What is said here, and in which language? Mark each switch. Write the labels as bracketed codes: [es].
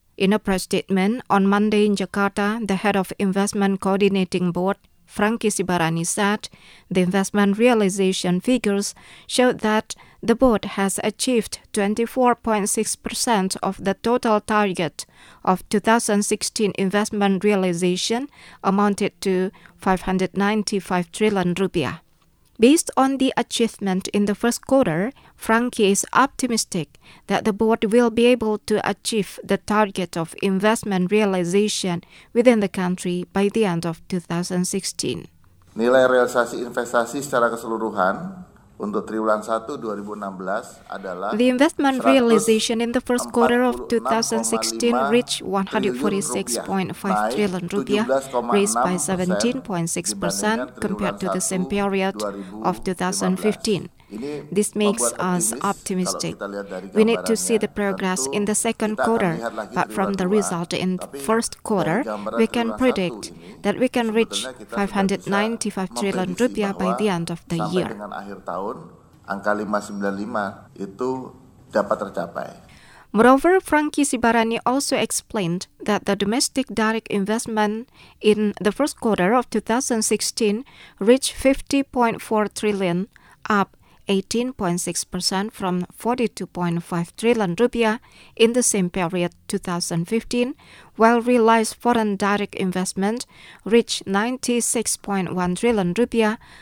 [en] In a press statement on Monday in Jakarta, the head of Investment Coordinating Board, Frankie Sibarani, said the investment realization figures showed that the board has achieved 24.6% of the total target of 2016 investment realization amounted to 595 trillion rupiah. Based on the achievement in the first quarter, Frankie is optimistic that the board will be able to achieve the target of investment realization within the country by the end of 2016. [id] Nilai realisasi investasi secara keseluruhan untuk triwulan 1 2016 adalah [en] the investment realization in the first quarter of 2016 reached 146.5 trillion rupiah, raised by 17.6% compared to the same period of 2015. This makes us optimistic. We need to see the progress in the second quarter, but from the result in the first quarter, we can predict that we can reach 595 trillion rupiah by the end of the year. [id] Angka 595 itu dapat tercapai. [en] Moreover, Frankie Sibarani also explained that the domestic direct investment in the first quarter of 2016 reached 50.4 trillion, up 18.6% from 42.5 trillion rupiah in the same period 2015, while realized foreign direct investment reached 96.1 trillion rupiah,